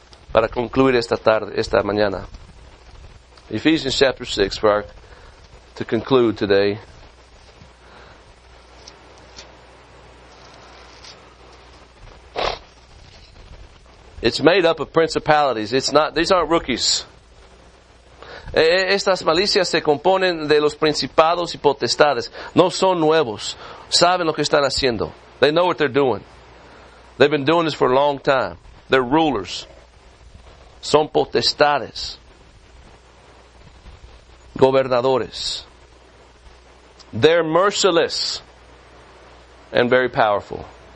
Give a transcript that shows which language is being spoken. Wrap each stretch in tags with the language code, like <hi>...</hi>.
<es>Para concluir esta tarde, esta mañana.</es> <en>Ephesians chapter 6 to conclude today. It's made up of principalities. These aren't rookies.</en> <es>Estas malicias se componen de los principados y potestades. No son nuevos. Saben lo que están haciendo.</es> <en>They know what they're doing. They've been doing this for a long time. They're rulers.</en> <es>Son potestades.</es> <en>Gobernadores. They're merciless and very powerful.</en>